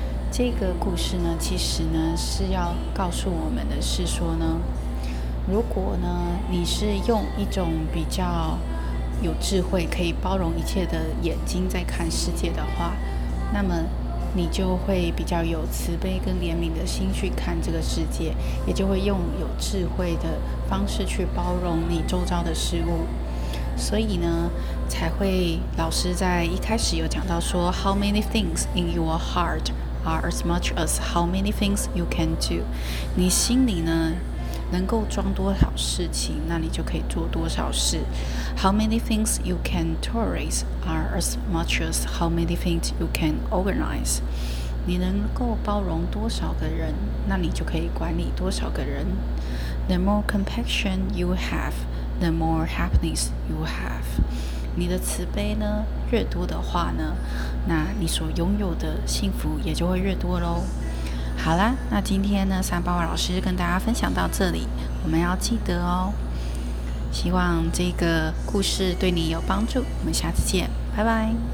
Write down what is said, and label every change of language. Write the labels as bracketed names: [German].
[Chinese] 这个故事呢其实呢是要告诉我们的是说呢，如果呢你是用一种比较有智慧可以包容一切的眼睛在看世界的话，那么你就会比较有慈悲跟怜悯的心去看这个世界，也就会用有智慧的方式去包容你周遭的事物。所以呢才会老师在一开始有讲到说 [English] How many things in your heartare as much as how many things you can do. [Chinese] 你心里呢能够装多少事情，那你就可以做多少事。 [English] How many things you can tolerate are as much as how many things you can organize. [Chinese] 你能够包容多少个人，那你就可以管理多少个人。 [English] The more compassion you have, the more happiness you have. [Chinese] 你的慈悲呢越多的话呢，那你所拥有的幸福也就会越多咯。好啦，那今天呢三宝老师跟大家分享到这里，我们要记得哦，希望这个故事对你有帮助，我们下次见，拜拜。